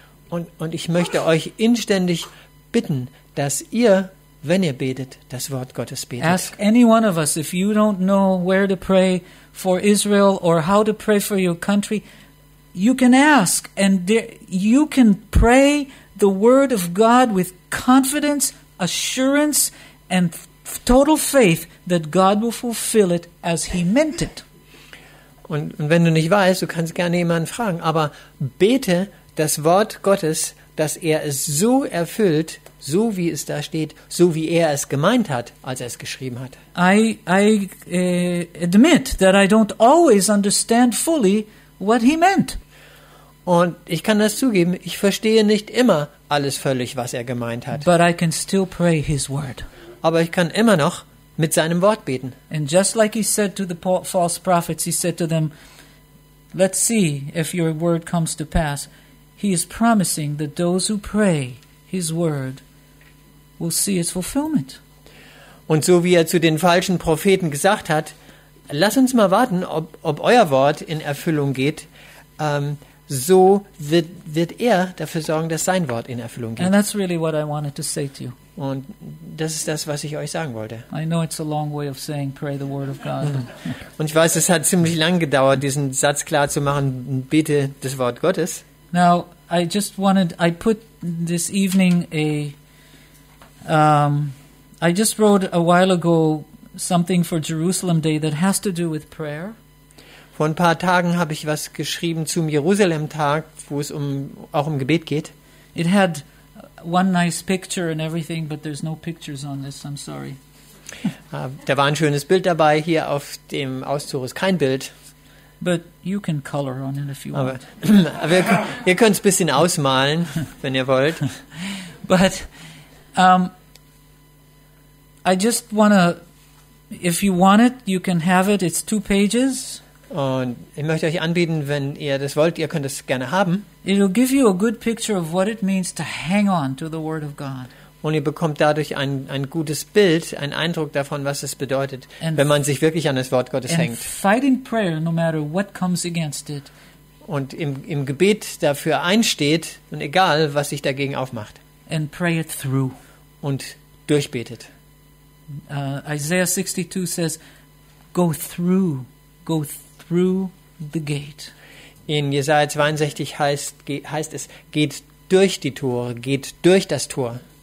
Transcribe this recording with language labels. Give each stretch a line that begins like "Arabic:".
German: Und ich möchte euch inständig bitten, dass ihr, wenn ihr betet, das Wort Gottes betet.
English: Ask any one of us, if you don't know where to pray for Israel or how to pray for your country, you can ask and you can pray the word of God with confidence, assurance and total faith that God will fulfill it as he meant it.
German: Und wenn du nicht weißt, du kannst gerne jemanden fragen, aber bete das Wort Gottes, dass er es so erfüllt, so wie es da steht, so wie er es gemeint hat, als er es geschrieben hat.
English: I admit that I don't always understand fully what he meant.
German: Und ich kann das zugeben, ich verstehe nicht immer alles völlig, was er gemeint hat.
English: But I can still pray his word.
German: Aber ich kann immer noch mit seinem Wort beten.
English: And just like he said to the false prophets, he said to them, let's see if your word comes to pass. He is promising that those who pray his word will see its fulfillment.
German: Und so wie er zu den falschen Propheten gesagt hat, lass uns mal warten, ob euer Wort in Erfüllung geht, so wird er dafür sorgen, dass sein Wort in Erfüllung geht.
English: And that's really what I wanted to say to you.
German: Und das ist das, was ich euch sagen wollte.
English: I know it's a long way of saying pray the word of God.
German: Und ich weiß, es hat ziemlich lang gedauert, diesen Satz klar zu machen, bete das Wort Gottes.
English: Now, I put this evening I just wrote a while ago something for Jerusalem Day that has to do with prayer.
German: Vor ein paar Tagen habe ich was geschrieben zum Jerusalem-Tag, wo es auch um Gebet geht.
English: It had one nice picture and everything, but there's no pictures on this, I'm sorry.
German: Da war ein schönes Bild dabei, hier auf dem Auszug ist kein Bild.
English: But you can color on it if you want.
German: Ihr könnt es ein bisschen ausmalen, wenn ihr wollt.
English: But I just want to, if you want it, you can have it, it's 2 pages.
German: Und ich möchte euch anbieten, wenn ihr das wollt, ihr könnt es gerne haben.
English: It'll give you a good picture of what it means to hang on to the word of God.
German: Und ihr bekommt dadurch ein gutes Bild, einen Eindruck davon, was es bedeutet, and wenn man sich wirklich an das Wort Gottes hängt.
English: Fighting prayer, no matter what comes against it.
German: Und im Gebet dafür einsteht und egal, was sich dagegen aufmacht.
English: And pray it through.
German: Und durchbetet.
English: Isaiah 62 says, go through the gate.
German: In Jesaja 62 heißt es, geht durch die Tore, geht durch das Tor.